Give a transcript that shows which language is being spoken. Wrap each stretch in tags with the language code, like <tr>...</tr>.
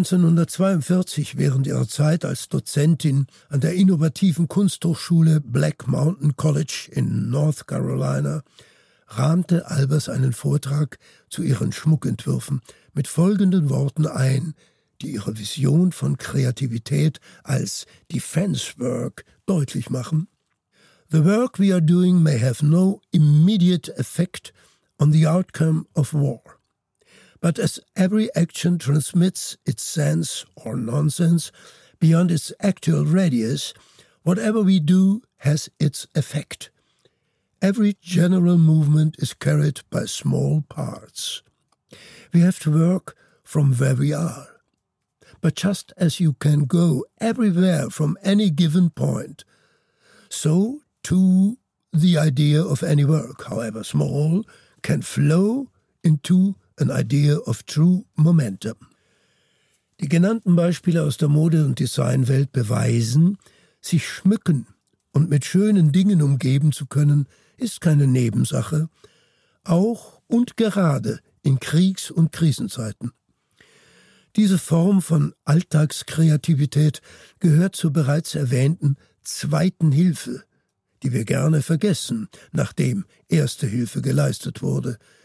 <de>1942, während ihrer Zeit als Dozentin an der innovativen Kunsthochschule Black Mountain College in North Carolina, rahmte Albers einen Vortrag zu ihren Schmuckentwürfen mit folgenden Worten ein, die ihre Vision von Kreativität als Defense Work deutlich machen.</de> <en>The work we are doing may have no immediate effect on the outcome of war. But as every action transmits its sense or nonsense beyond its actual radius, whatever we do has its effect. Every general movement is carried by small parts. We have to work from where we are. But just as you can go everywhere from any given point, so too the idea of any work, however small, can flow into an idea of true momentum.</en> <de>Die genannten Beispiele aus der Mode- und Designwelt beweisen, sich schmücken und mit schönen Dingen umgeben zu können, ist keine Nebensache, auch und gerade in Kriegs- und Krisenzeiten. Diese Form von Alltagskreativität gehört zur bereits erwähnten zweiten Hilfe, die wir gerne vergessen, nachdem erste Hilfe geleistet wurde.</de>